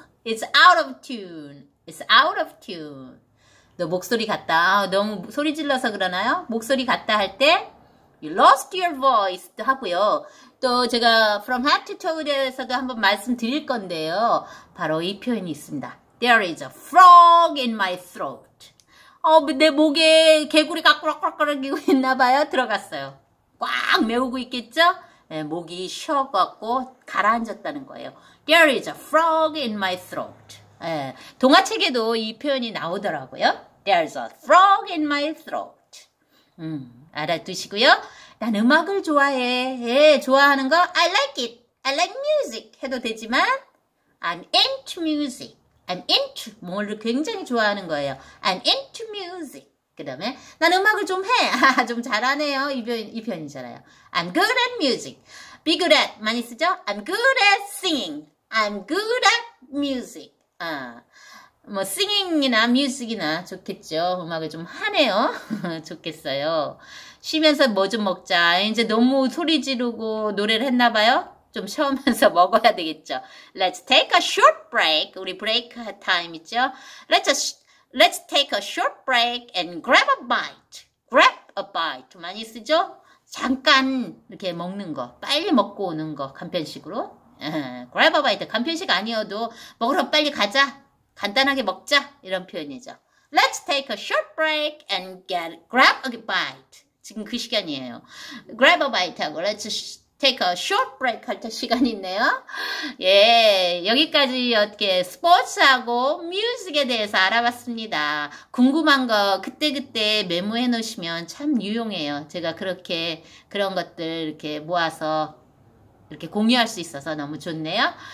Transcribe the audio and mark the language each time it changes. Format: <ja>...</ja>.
<en>It's out of tune. It's out of tune.</en> <ko>너 목소리 같다. 아, 너무 소리 질러서 그러나요? 목소리 같다 할 때,</ko> <en>You lost your voice.</en> <ko>도 하고요. 또 제가 From Head to Toe에서도 한번 말씀드릴 건데요. 바로 이 표현이 있습니다.</ko> <en>There is a frog in my throat.</en> <ko>내 목에 개구리가 꾸락꾸락거리고 있나 봐요. 들어갔어요. 꽉 메우고 있겠죠? 네, 목이 쉬어갖고 가라앉았다는 거예요.</ko> <en>There is a frog in my throat.</en> <ko>네, 동화책에도 이 표현이 나오더라고요.</ko> <en>There's a frog in my throat.</en> <ko>알아두시고요. 난 음악을 좋아해. 예, 좋아하는 거</ko> <en>I like it. I like music</en> <ko>해도 되지만</ko> <en>I'm into music. I'm into</en> <ko>뭐를 굉장히 좋아하는 거예요.</ko> <en>I'm into music.</en> <ko>그 다음에 난 음악을 좀 해. 좀 잘하네요. 이 표현이잖아요.</ko> <en>I'm good at music. Be good at</en> <ko>많이 쓰죠?</ko> <en>I'm good at singing. I'm good at music.</en> <ko>뭐 singing이나 music이나 좋겠죠. 음악을 좀 하네요. 좋겠어요. 쉬면서 뭐좀 먹자. 이제 너무 소리 지르고 노래를 했나 봐요. 좀 쉬면서 먹어야 되겠죠.</ko> <en>Let's take a short break.</en> <ko>우리 브레이크 타임 있죠?</ko> <en>Let's take a short break and grab a bite. Grab a bite.</en> <ko>많이 쓰죠? 잠깐 이렇게 먹는 거. 빨리 먹고 오는 거. 간편식으로.</ko> <en>Grab a bite.</en> <ko>간편식 아니어도 먹으러 빨리 가자. 간단하게 먹자. 이런 표현이죠.</ko> <en>Let's take a short break and grab a bite.</en> <ko>지금 그 시간이에요.</ko> <en>Grab a bite</en> <ko>하고</ko> <en>Let's take a short break</en> <ko>할때 시간이 있네요. 예, 여기까지 이렇게 스포츠하고 뮤직에 대해서 알아봤습니다. 궁금한 거 그때그때 메모해 놓으시면 참 유용해요. 제가 그렇게 그런 것들 이렇게 모아서 이렇게 공유할 수 있어서 너무 좋네요.</ko>